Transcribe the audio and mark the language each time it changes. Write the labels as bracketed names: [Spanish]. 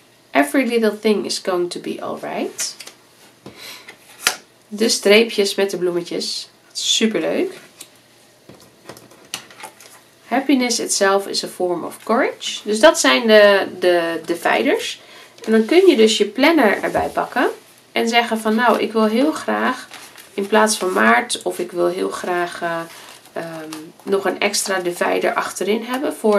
[English] Every little thing is going to be alright. [Dutch] De streepjes met de bloemetjes. Superleuk. [English] Happiness itself is a form of courage. [Dutch] Dus dat zijn de dividers. En dan kun je dus je planner erbij pakken. En zeggen van nou, ik wil heel graag in plaats van maart. Of ik wil heel graag nog een extra divider achterin hebben.